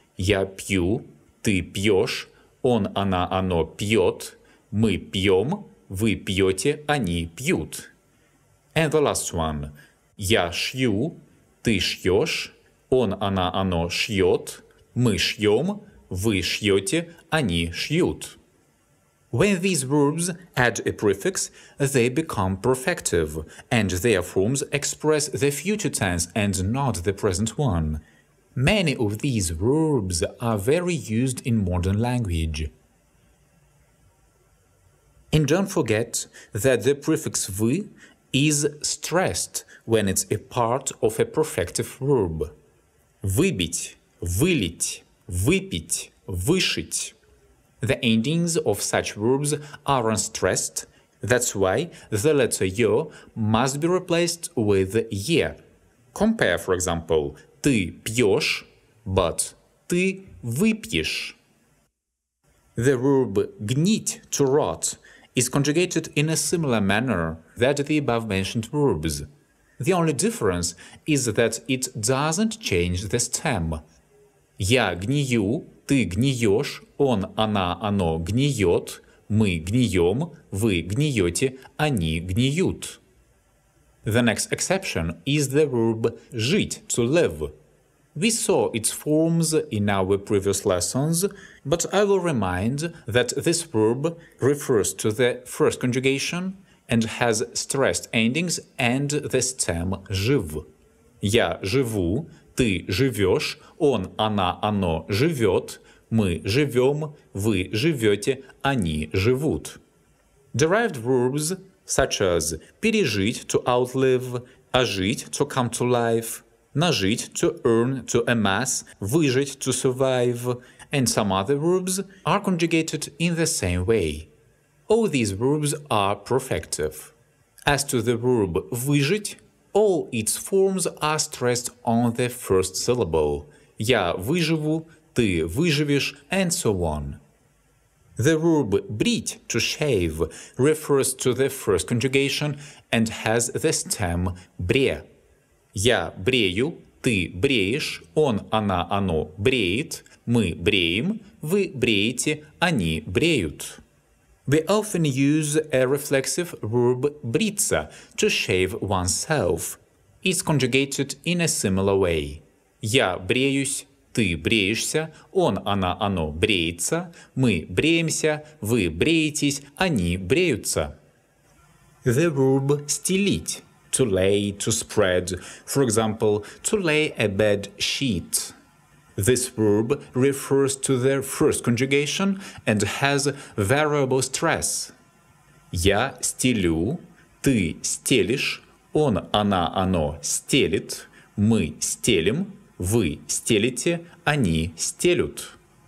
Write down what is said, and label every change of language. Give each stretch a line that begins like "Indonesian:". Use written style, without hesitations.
Russian: Я пью, ты пьешь, он, она, оно пьет, мы пьем, вы пьете, они пьют.
English: And the last one.
Russian: Я шью, ты шьешь, он, она, оно шьет, мы шьем, вы шьете, они шьют.
English: When these verbs add a prefix, they become perfective, and their forms express the future tense and not the present one. Many of these verbs are very used in modern language. And don't forget that the prefix «вы» is stressed when it's a part of a perfective verb.
Russian: Выбить, вылить, выпить, вышить.
English: The endings of such verbs are unstressed, that's why the letter «ё» must be replaced with «е». Compare, for example,
Russian: «ты пьёшь»,
English: but
Russian: «ты выпьешь».
English: The verb «гнить» – «to rot» is conjugated in a similar manner that the above-mentioned verbs. The only difference is that it doesn't change the stem.
Russian: Я гнию, ты гниешь, он, она, оно гниет, мы гнием, вы гниете, они гниют.
English: The next exception is the verb жить, to live. We saw its forms in our previous lessons, but I will remind that this verb refers to the first conjugation and has stressed endings and the stem жив.
Russian: Я живу, ты живешь, он, она, оно живет, мы живем, вы живете, они живут.
English: Derived verbs such as пережить, to outlive, ожить, to come to life, нажить, to earn, to amass, выжить, to survive, and some other verbs are conjugated in the same way. All these verbs are perfective. As to the verb выжить, all its forms are stressed on the first syllable.
Russian: Я выживу, ты выживешь,
English: and so on. The verb брить, to shave, refers to the first conjugation and has the stem бре.
Russian: Я брею, ты бреешь, он, она, оно бреет, мы бреем, вы бреете, они бреют.
English: We often use a reflexive verb бриться, to shave oneself. It's conjugated in a similar way.
Russian: Я бреюсь, ты бреешься, он, она, оно бреется, мы бреемся, вы бреетесь, они бреются.
English: The verb стелить. To lay, to spread, for example, to lay a bed sheet. This verb refers to the first conjugation and has variable stress.
Russian: Я стелю, ты стелишь, он, она, оно стелит, мы стелим, вы стелите, они стелют.